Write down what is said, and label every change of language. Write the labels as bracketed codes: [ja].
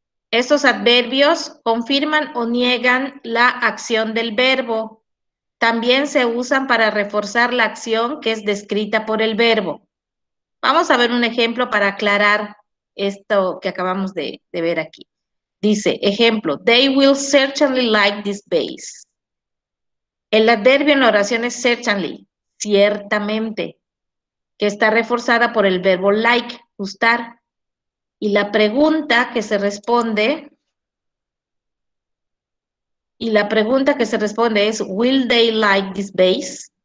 [es] Estos adverbios confirman o niegan la acción del verbo. También se usan para reforzar la acción que es descrita por el verbo. Vamos a ver un ejemplo para aclarar esto que acabamos de ver aquí. Dice, ejemplo, [en] they will certainly like this place. [es] El adverbio en la oración es certainly, ciertamente, que está reforzada por el verbo like, gustar. Y la pregunta que se responde, es, [en] ¿Will they like this vase?